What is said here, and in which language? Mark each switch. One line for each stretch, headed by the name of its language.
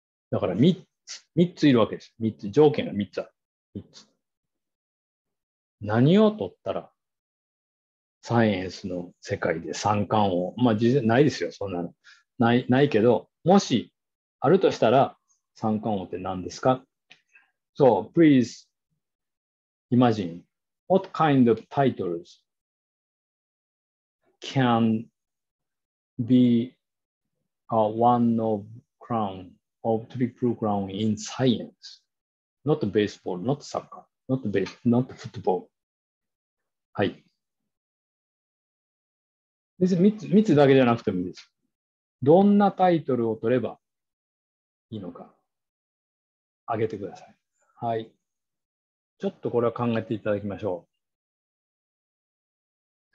Japanese: だから3ついるわけです。3つ、条件が3つある。3つ。何を取ったらサイエンスの世界で三冠王。まあ、実際ないですよ、そんなの。ないけど、もしあるとしたら、三冠王って何ですか？
English: So, please imagine what kind of titles can be a one of crown of triple crown in science, not baseball, not soccer, not football.
Japanese: はい。別に3つだけじゃなくてもいいです。どんなタイトルを取ればいいのか、あげてください。はい。ちょっとこれは考えていただきましょう。